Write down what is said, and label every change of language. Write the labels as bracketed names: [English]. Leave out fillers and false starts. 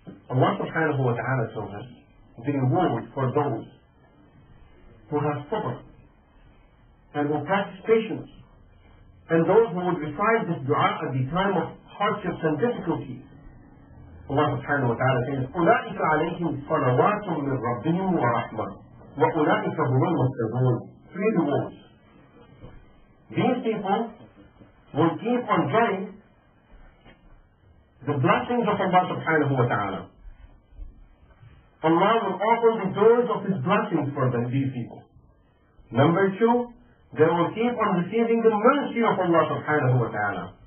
[English] Allah subhanahu wa ta'ala tells us the reward for those who have sabr and who practice patience and those who would recite this dua at the time of hardships and difficulties. Allah subhanahu wa ta'ala says, [Arabic] أُولَٰئِكَ عَلَيْهِمْ صَلَوَاتٌ مِنْ رَبِّهِمْ وَرَحْمَةٌ وَأُولَٰئِكَ هُمُ الْمُتَّقُونَ [English] three rewards. These people will keep on joining the blessings of Allah subhanahu wa ta'ala. Allah will open the doors of His blessings for them, these people. Number two, they will keep on receiving the mercy of Allah subhanahu wa ta'ala.